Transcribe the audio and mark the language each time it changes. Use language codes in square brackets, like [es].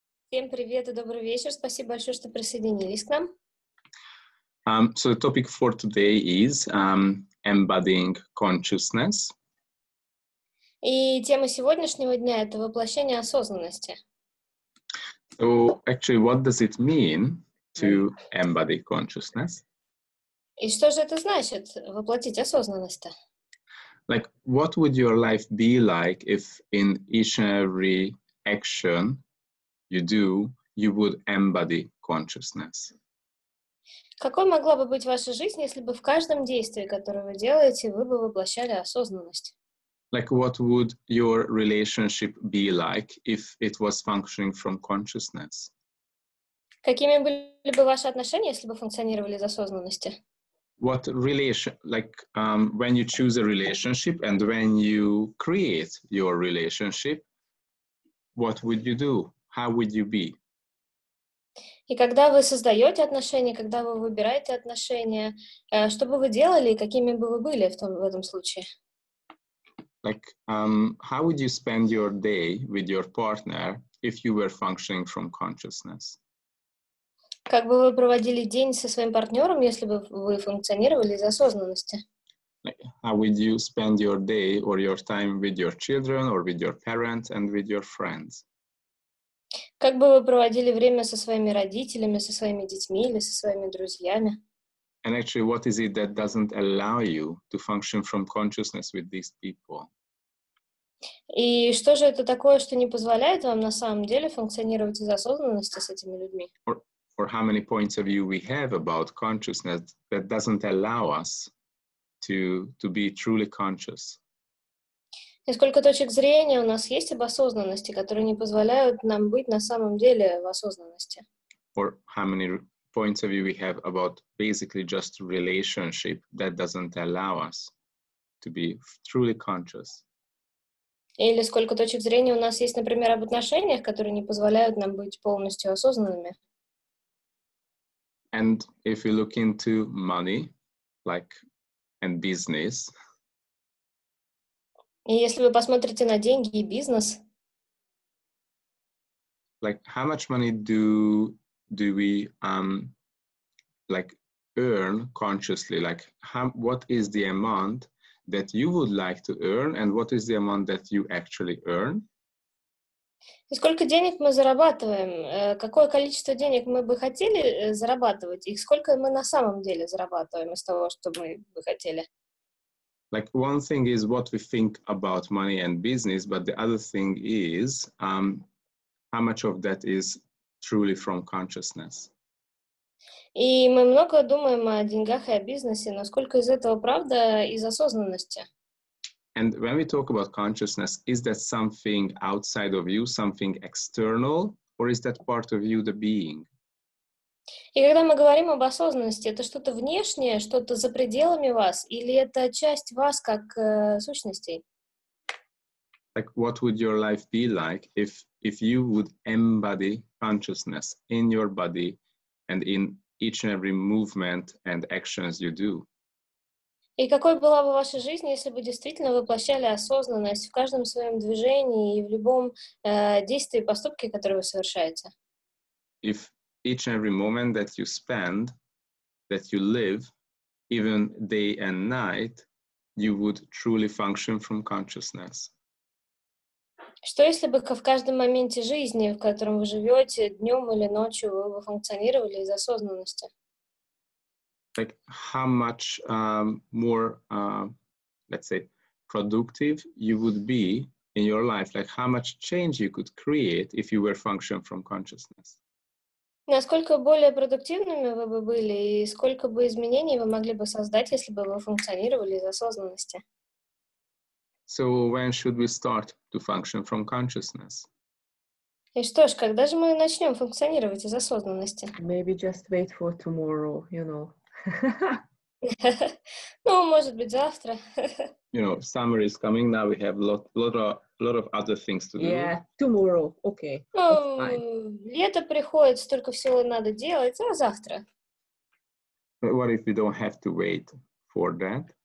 [ru] Всем привет и добрый вечер. Спасибо большое, что присоединились к нам. [en] So the topic for today is embodying consciousness. [ru] И тема сегодняшнего дня — это воплощение осознанности. [en] So actually, what does it mean to embody consciousness? [ru] И что же это значит воплотить осознанность? [en] Like, what would your life be like if in each and every action you do, you would embody consciousness? [ru] Какой могла бы быть ваша жизнь, если бы в каждом действии, которое вы делаете, вы бы воплощали осознанность? [en] Like, what would your relationship be like if it was functioning from consciousness? [ru] Какими были бы ваши отношения, если бы функционировали из осознанности? [en] What relation, like, when you choose a relationship and when you create your relationship, what would you do? How would you be? [ru] И когда вы создаете отношения, когда вы выбираете отношения, что бы вы делали и какими бы вы были в этом случае? [en] Like, how would you spend your day with your partner if you were functioning from consciousness? [ru] Как бы вы проводили день со своим партнером, если бы вы функционировали из осознанности? [en] How would you spend your day or your time with your children or with your parents and with your friends? [ru] Как бы вы проводили время со своими родителями, со своими детьми или со своими друзьями? [en] And actually, what is it that doesn't allow you to function from consciousness with these people? [ru] И что же это такое, что не позволяет вам на самом деле функционировать из осознанности с этими людьми? [en] Or how many points of view we have about consciousness that doesn't allow us to be truly conscious. [ru] И сколько точек зрения у нас есть об осознанности, которые не позволяют нам быть на самом деле в осознанности. [en] Or how many points of view we have about basically just relationship that doesn't allow us to be truly conscious. [ru] Или сколько точек зрения у нас есть, например, об отношениях, которые не позволяют нам быть полностью осознанными. [en] And if you look into money, like, and business. [ru] И если вы посмотрите на деньги и бизнес. [en] Like, how much money do we, like, earn consciously? Like, what is the amount that you would like to earn, and what is the amount that you actually earn? [ru] И сколько денег мы зарабатываем? Какое количество денег мы бы хотели зарабатывать? И сколько мы на самом деле зарабатываем из того, что мы бы хотели? [en] Like, one thing is what we think about money and business, but the other thing is how much of that is truly from consciousness. [ru] И мы много думаем о деньгах и о бизнесе, но сколько из этого правда из осознанности? [en] And when we talk about consciousness, is that something outside of you, something external, or is that part of you, the being? [ru] И когда мы говорим об осознанности, это что-то внешнее, что-то за пределами вас, или это часть вас как сущностей? [en] Like, what would your life be like if you would embody consciousness in your body and in each and every movement and actions you do? [ru] И какой была бы ваша жизнь, если бы действительно воплощали осознанность в каждом своем движении и в любом действии, поступке, который вы совершаете? [en] If each and every moment that you spend, that you live, even day and night, you would truly function from consciousness. [ru] Что если бы в каждом моменте жизни, в котором вы живете, днем или ночью, вы бы функционировали из осознанности? [en] Like, how much more, let's say, productive you would be in your life? Like, how much change you could create if you were functioning from consciousness? [ru] Насколько более продуктивными вы бы были, и сколько бы изменений вы могли бы создать, если бы вы функционировали из осознанности? [en] So, when should we start to function from consciousness? [ru] И что ж, когда же мы начнем функционировать из осознанности? [en] Maybe just wait for tomorrow, you know. [ru] Ну, может быть, завтра. [en] You know, summer is coming now. We have lot of other things to do. Yeah, tomorrow. Okay. [ru] Ну, лето приходит, столько всего надо делать, а завтра? [en] But what if we don't have to wait for that?